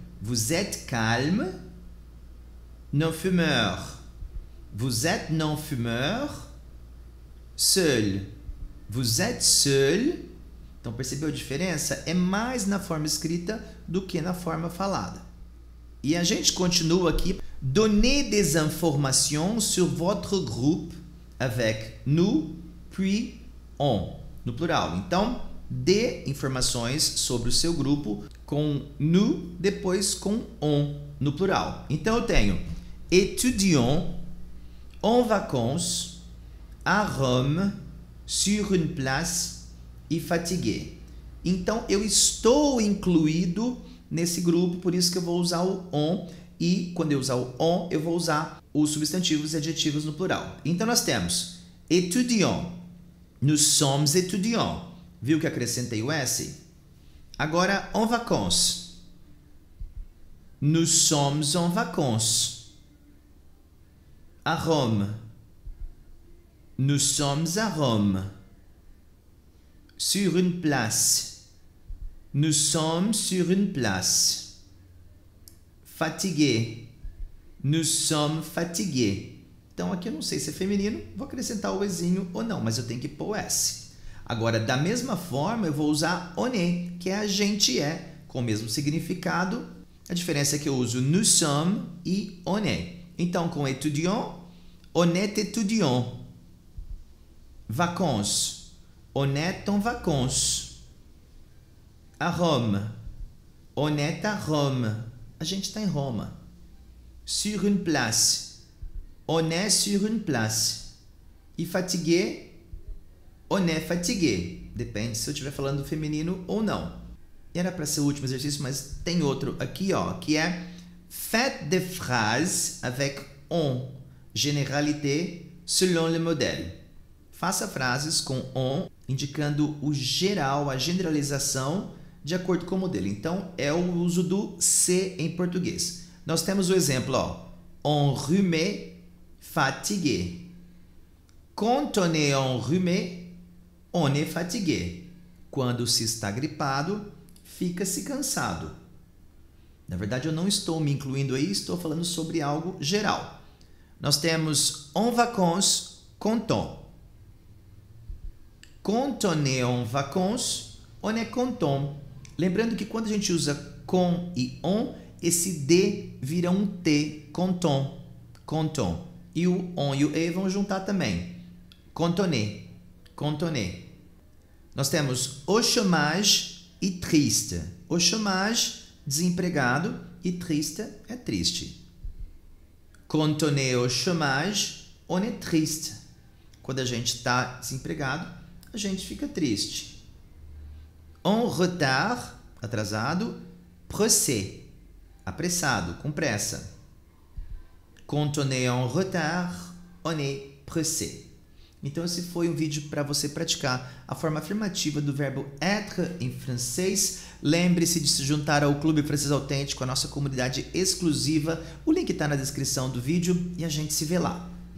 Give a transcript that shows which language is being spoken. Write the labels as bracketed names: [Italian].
[French] Vous êtes calme. Non fumeur. Vous êtes non fumeur. Seul. Vous êtes seul. [Portuguese] Então, percebeu a diferença? É mais na forma escrita do que na forma falada. E a gente continua aqui. [French] Donnez des informations sur votre groupe avec nous, puis on. [Portuguese] No plural. Então, dê informações sobre o seu grupo com nous, depois com on, no plural. Então, eu tenho [French] étudiant en vacances à Rome sur une place e fatigué. [Portuguese] Então, eu estou incluído nesse grupo, por isso que eu vou usar o on. E quando eu usar o on, eu vou usar os substantivos e adjetivos no plural. Então, nós temos étudiant. [French] Nous sommes étudiants. [Portuguese] Viu que acrescentei o S? [French] Agora, en vacances. Nous sommes en vacances. À Rome. Nous sommes à Rome. Sur une place. Nous sommes sur une place. Fatigué. Nous sommes fatigués. [Portuguese] Então, aqui eu não sei se é feminino. Vou acrescentar o ezinho ou não, mas eu tenho que pôr o S. Agora, da mesma forma, eu vou usar on est, que é a gente é, com o mesmo significado. A diferença é que eu uso nous sommes e on est. Então, com [French] étudiant, on est étudiant. Vacances. On est en vacances. À Rome. On est à Rome. [Portuguese] A gente está em Roma. [French] Sur une place. On est sur une place. E fatigué, On est fatigué. [Portuguese] Depende se eu estiver falando feminino ou não. E era para ser o último exercício, mas tem outro aqui, ó, que é [French] faites des phrases avec on, généralité, selon le modèle. [Portuguese] Faça frases com on, indicando o geral, a generalização, de acordo com o modelo. Então, é o uso do se em português. Nós temos o exemplo, ó. Enrhumé, fatigué. [French] Quand on est enrhumé, on est fatigué. [Portuguese] Quando se está gripado, fica-se cansado. Na verdade, eu não estou me incluindo aí, estou falando sobre algo geral. Nós temos en vacances, content. [French] Quand on est en vacances, on est content. [Portuguese] Lembrando que quando a gente usa com e on, esse D vira um T, content, content. E o on e o E vão juntar também. Contonné, contonné. Nós temos au chômage e triste. Au chômage, desempregado, e triste é triste. [French] Quand on est au chômage, on est triste. [Portuguese] Quando a gente está desempregado, a gente fica triste. En retard, atrasado, pressé, apressado, com pressa. [French] Quand on est en retard, on est pressé. [Portuguese] Então, esse foi um vídeo para você praticar a forma afirmativa do verbo être em francês. Lembre-se de se juntar ao Clube Francês Autêntico, a nossa comunidade exclusiva. O link está na descrição do vídeo e a gente se vê lá.